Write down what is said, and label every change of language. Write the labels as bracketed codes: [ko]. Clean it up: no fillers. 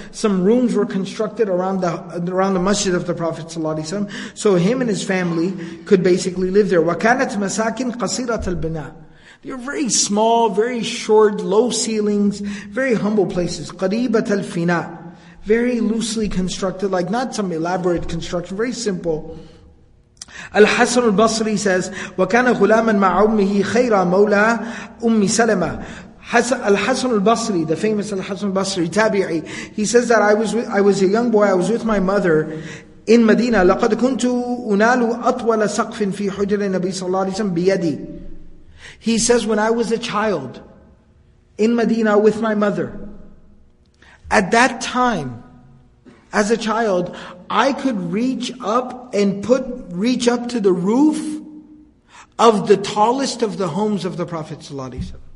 [en] Some rooms were constructed around the masjid of the Prophet ﷺ, so him and his family could basically live there. [ar] وَكَانَتْ مَسَاكِنْ قَصِيرَةَ الْبِنَاءِ. [en] They were very small, very short, low ceilings, very humble places. [ar] قَرِيبَةَ الْفِنَاءِ. [en] Very loosely constructed, like not some elaborate construction, very simple. [ar] Al-Hasan al-Basri says, وَكَانَ غُلَامًا مَعَ أُمِّهِ خَيْرًا مَوْلَى أُمِّ سَلَمَةً. [en] Al-Hasan al-Basri, the famous Al-Hasan al-Basri, Tabi'i, he says that I was a young boy, I was with my mother in Medina. [ar] لَقَدْ كُنْتُ أُنَالُ أَطْوَلَ سَقْفٍ فِي حُجْرِ النَّبِي صَلَّى اللَّهِ عَلَيْهِ وَسَلَّمَ بِيَدِي. [en] He says, when I was a child in Medina with my mother, at that time, as a child, I could reach up to the roof of the tallest of the homes of the Prophet ﷺ.